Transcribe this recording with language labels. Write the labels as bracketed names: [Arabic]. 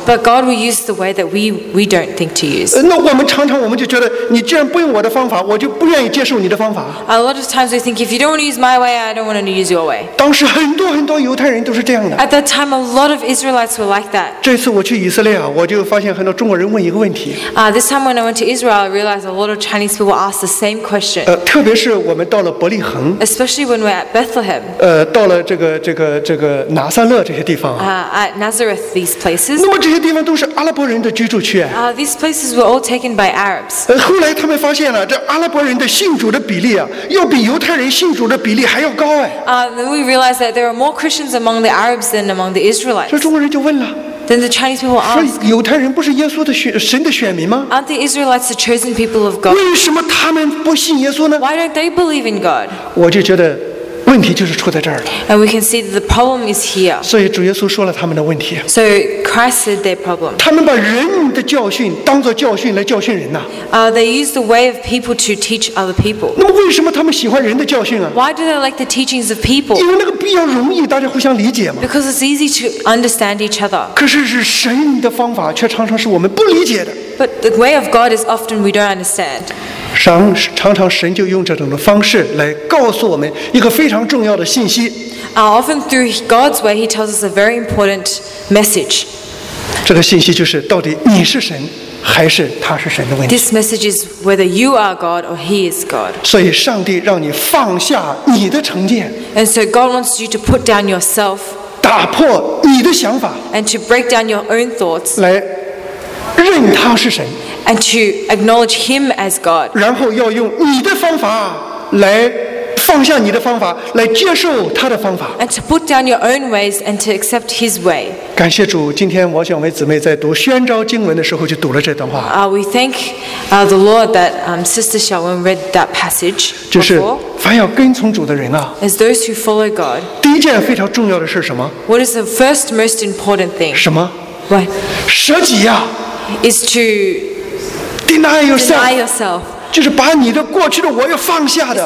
[English] But God will use the way that we don't think to use. [Chinese] 那我们常常我们就觉得你既然不用我的方法，我就不愿意接受你的方法。 [English] A lot of times we think if you don't want to use my way, I don't want to use your way. [Chinese] 当时很多很多犹太人都是这样的。 [English] At that time, a lot of Israelites were like that. [Chinese] 这次我去以色列啊，我就发现很多中国人问一个问题。 [English] This time when I went to Israel, I realized a lot of Chinese people asked the same question. [Chinese] 特别是我们到了伯利恒。 [English] Especially when we're at Bethlehem. [Chinese] 到了这个拿撒勒这些地方啊 [English] at Nazareth these places [Chinese] 那么这些地方都是阿拉伯人的居住区啊 [English] these places were all taken by Arabs [Chinese] 后来他们发现了这阿拉伯人的信主的比例啊要比犹太人信主的比例还要高哎 [English] then we realized that there are more Christians among the Arabs than among the Israelites [Chinese] 这中国人就问了 [English] Then the Chinese people ask, [Chinese] 说犹太人不是耶稣的神的选民吗？ [English] Aren't the Israelites the chosen people of God? [Chinese] 为什么他们不信耶稣呢？ [English] Why don't they believe in God? [Chinese] 我就觉得问题就是出在这儿了。 [English] And we can see that the problem is here. [Chinese] 所以主耶稣说了他们的问题。 [English] So Christ said their problem. [Chinese] 他们把人的教训当作教训来教训人呐。 [English] They use the way of people to teach other people. [Chinese] 那么为什么他们喜欢人的教训啊？ [English] Why do they like the teachings of people? [Chinese] 因为那个比较容易，大家互相理解嘛。 [English] Because it's easy to understand each other. [Chinese] 可是是神的方法，却常常是我们不理解的。 [English] But the way of God is often we don't understand. [Chinese] 常常神就用这种的方式来告诉我们一个非常重要的信息。 [English] Often through God's way, He tells us a very important message. [Chinese] 这个信息就是到底你是神还是他是神的问题。 [English] This message is whether you are God or He is God. [Chinese] 所以上帝让你放下你的成见。 [English] And so God wants you to put down yourself. [Chinese] 打破你的想法。 [English] And to break down your own thoughts. [Chinese] 来。认他是神 [English] and to acknowledge him as God [Chinese] 然后要用你的方法来放下你的方法来接受他的方法 [English] and to put down your own ways and to accept his way [Chinese] 感谢主今天我想为姊妹在读宣召经文的时候就读了这段话 [English] we thank the Lord that Sister Xiaowen read that passage [Chinese] 就是凡要跟从主的人啊 [English] as those who follow God [Chinese] 第一件非常重要的是什么 [English] what is the first most important thing [Chinese] 什么 [English] what [Chinese] 舍己啊 [English] Is to deny yourself. [Chinese] 就是把你的过去的我要放下的。